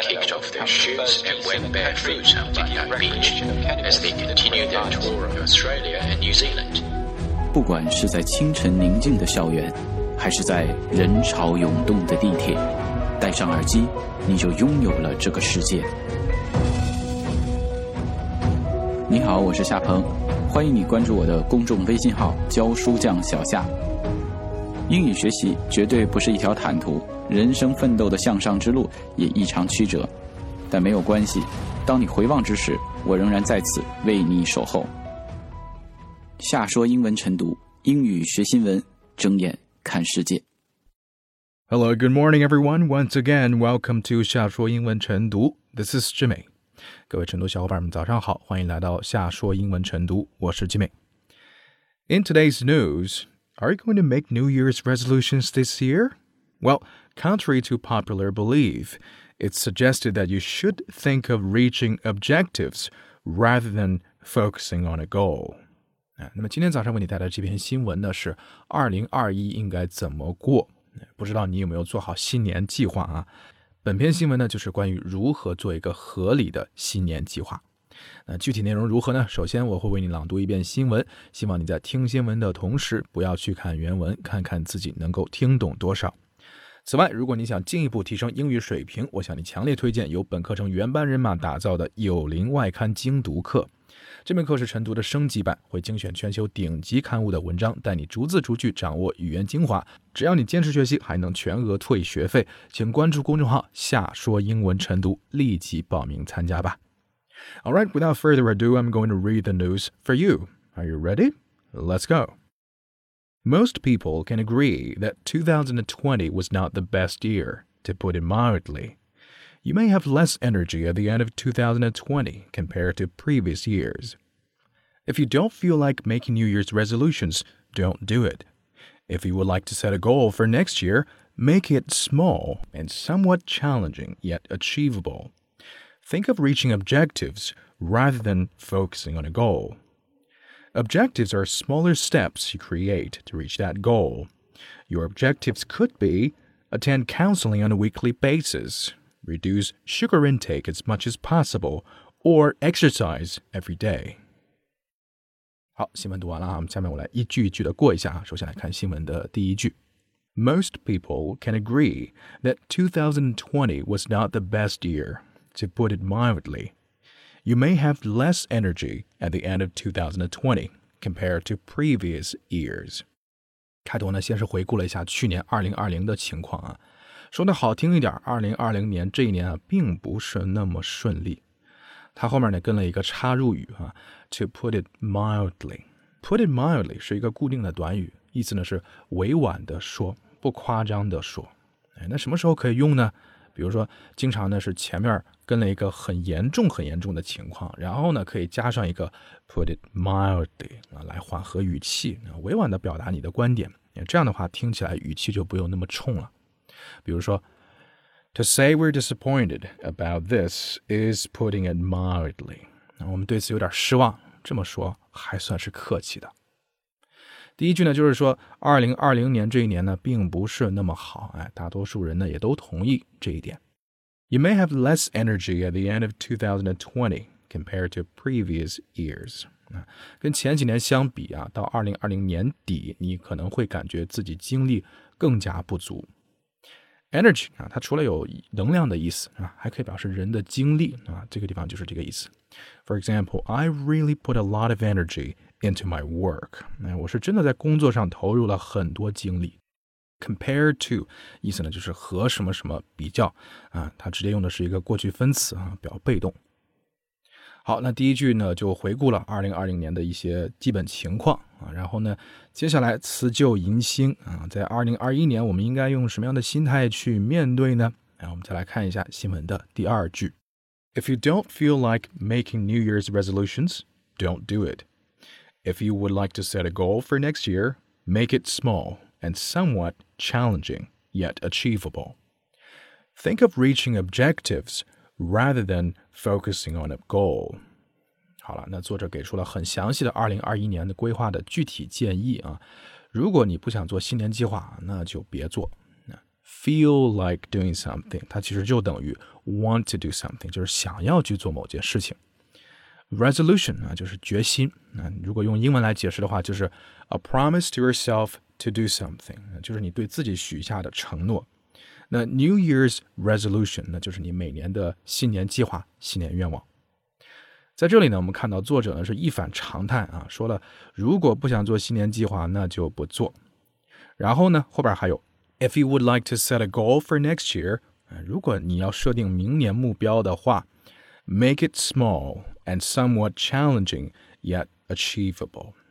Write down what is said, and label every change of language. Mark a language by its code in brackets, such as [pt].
[en] kicked off their shoes and went barefoot on Bondi Beach as they continued their tour of Australia and New Zealand. [zh] 不管是在清晨宁静的校园，还是在人潮涌动的地铁，戴上耳机，你就拥有了这个世界。你好，我是夏鹏，欢迎你关注我的公众微信号“教书匠小夏”。英语学习绝对不是一条坦途，人生奋斗的向上之路也异常曲折，但没有关系，当你回望之时，我仍然在此为你守候。夏说英文晨读，英语学新闻，睁眼看世界。 [en] Hello, good morning, everyone. Once again, welcome to 夏说英文晨读。This is Jimmy. [zh] 各位晨读小伙伴们，早上好，欢迎来到夏说英文晨读。我是 Jimmy. [en] In today's news, are you going to make New Year's resolutions this year? Well, contrary to popular belief, it's suggested that you should think of reaching objectives rather than focusing on a goal. [zh] 那么今天早上为你带来的这篇新闻呢，是2021应该怎么过？不知道你有没有做好新年计划啊？本篇新闻呢，就是关于如何做一个合理的新年计划。那具体内容如何呢？首先我会为你朗读一遍新闻，希望你在听新闻的同时，不要去看原文，看看自己能够听懂多少。此外，如果你想进一步提升英语水平，我向你强烈推荐由本课程原班人马打造的有灵外刊精读课。这门课是晨读的升级版，会精选全球顶级刊物的文章，带你逐字逐句掌握语言精华。只要你坚持学习，还能全额退学费。请关注公众号“夏说英文晨读”，立即报名参加吧。 [en] All right, without further ado, I'm going to read the news for you. Are you ready? Let's go. Most people can agree that 2020 was not the best year, to put it mildly. You may have less energy at the end of 2020 compared to previous years. If you don't feel like making New Year's resolutions, don't do it. If you would like to set a goal for next year, make it small and somewhat challenging yet achievable. Think of reaching objectives rather than focusing on a goal. Objectives are smaller steps you create to reach that goal. Your objectives could be attend counseling on a weekly basis,Reduce sugar intake as much as possible, or exercise every day. [zh] 好，新闻读完了，我们下面我来一句一句的过一下。首先来看新闻的第一句。 [en] Most people can agree that 2020 was not the best year, to put it mildly. You may have less energy at the end of 2020 compared to previous years. [zh] 开头呢，先是回顾了一下去年2020的情况啊。说得好听一点，2020年这一年啊，并不是那么顺利。它后面呢跟了一个插入语啊 ， [en] to put it mildly。 [zh] put it mildly 是一个固定的短语，意思呢是委婉的说，不夸张的说。哎，那什么时候可以用呢？比如说，经常呢是前面跟了一个很严重、很严重的情况，然后呢可以加上一个 put it mildly 啊，来缓和语气，委婉的表达你的观点。这样的话听起来语气就不用那么冲了。比如说 [en] To say we're disappointed about this is putting it mildly. [zh] 我们对此有点失望，这么说还算是客气的。第一句呢，就是说2020年这一年呢并不是那么好，哎，大多数人呢也都同意这一点。 [en] You may have less energy at the end of 2020 compared to previous years. [zh] 跟前几年相比啊，到2020年底，你可能会感觉自己精力更加不足。 Energy 啊，它除了有能量的意思啊，还可以表示人的精力啊，这个地方就是这个意思。 [en] For example, I really put a lot of energy into my work. [zh] 哎，我是真的在工作上投入了很多精力。Compared to 意思呢，就是和什么什么比较啊，它直接用的是一个过去分词啊，表被动。好，那第一句呢，就回顾了2020年的一些基本情况啊。然后呢，接下来辞旧迎新啊，在2021年，我们应该用什么样的心态去面对呢？然后我们再来看一下新闻的第二句。 [en] If you don't feel like making New Year's resolutions, don't do it. If you would like to set a goal for next year, make it small and somewhat challenging yet achievable. Think of reaching objectives rather than focusing on a goal. [zh] 好了，那作者给出了很详细的2021年的规划的具体建议啊。如果你不想做新年计划，那就别做。 [en] Feel like doing something, [zh] 它其实就等于 [en] want to do something, [zh] 就是想要去做某件事情。 Resolution, 啊，就是决心。那如果用英文来解释的话，就是 [en] a promise to yourself to do something, [zh] 就是你对自己许下的承诺。那 New Year's Resolution, 那就是你每年的新年计划、新年愿望。在这里呢，我们看到作者呢是一反常态啊，说了如果不想做新年计划，那就不做。然后呢，后边还有 [en] If you would like to set a goal for next year, [zh] 如果你要设定明年目标的话, [en] make it small and somewhat challenging yet achievable.